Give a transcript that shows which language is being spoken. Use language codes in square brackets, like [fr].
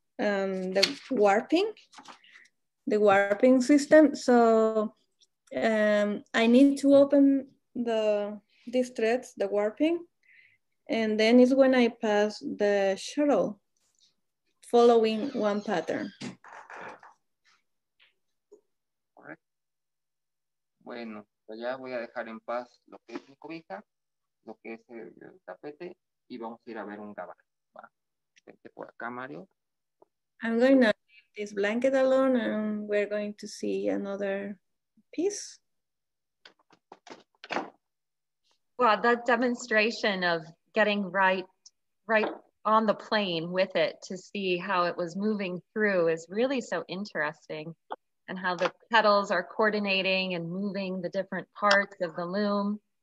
[en] The warping, system. So I need to open these threads, the warping, and then is when I pass the shuttle following one pattern. All right. [es] Bueno, ya voy a dejar en paz lo que es mi cobija, lo que es el tapete, y vamos a ir a ver un gabán. Va, vente por acá, Mario. [en] I'm going to leave this blanket alone and we're going to see another piece. Well, the demonstration of getting right on the plane with it to see how it was moving through is really so interesting, and how the petals are coordinating and moving the different parts of the loom.